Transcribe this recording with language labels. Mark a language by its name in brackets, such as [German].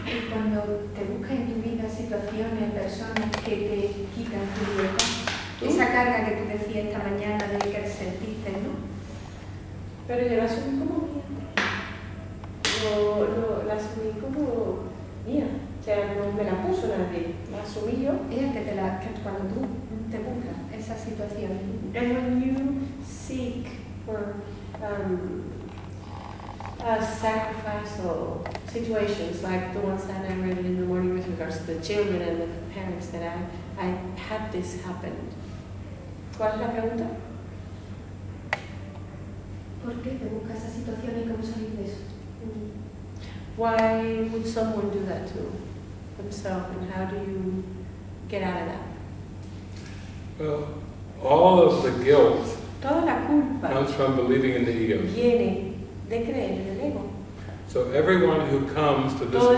[Spanish] Cuando te buscas en tu vida situaciones, personas que te quitan tu libertad, esa carga que tú decías esta mañana de que sentiste, ¿no? Pero yo la asumí como mía. La asumí como mía. O sea, no me la puso nadie, la asumí yo. Ella que te la, que cuando tú te buscas esa situación. [English] And when you seek for a sacrifice or situations like the ones that I read in the morning with regards to the children and the parents that I had this happen. [Spanish] ¿Cuál es la pregunta? ¿Por qué te busca esa situación y cómo salir de eso? [English] Why would someone do that to themselves, and how do you get out of that? Well, all of the guilt [Spanish] toda la culpa [English] comes from believing in the ego. [Spanish] Viene de creer en el ego. [English] So everyone who comes to this